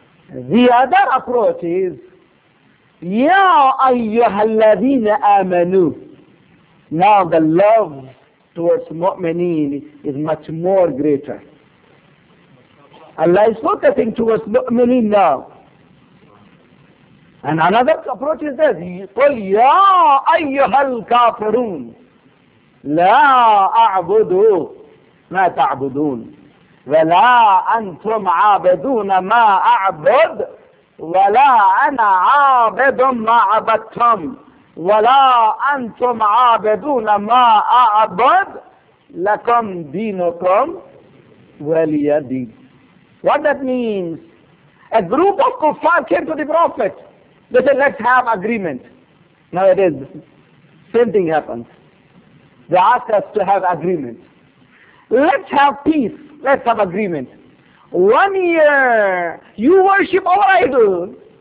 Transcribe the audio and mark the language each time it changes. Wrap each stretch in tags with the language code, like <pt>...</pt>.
<en>The other approach is</en> <ar>Ya Ayyuhalladina Amanu.</ar> <en>Now the love towards Mu'mineen is much more greater. Allah is focusing towards Mu'mineen now. And another approach is this,</en> <ar>قُلْ يَا أَيُّهَا الْكَافِرُونَ لَا أَعْبُدُ مَا تَعْبُدُونَ وَلَا أَنْتُمْ عَابِدُونَ مَا أَعْبُدْ وَلَا أَنَا عَابِدٌ مَا عَبَدْتُمْ وَلَا أَنْتُمْ عَابِدُونَ مَا أَعْبُدْ لَكُمْ دِينُكُمْ وَلِيَ دِينُ.</ar> <en>What that means? A group of kuffar came to the Prophet. They said, let's have agreement. Now it is. Same thing happens. They ask us to have agreement. Let's have peace. Let's have agreement. 1 year, you worship our idol.</en>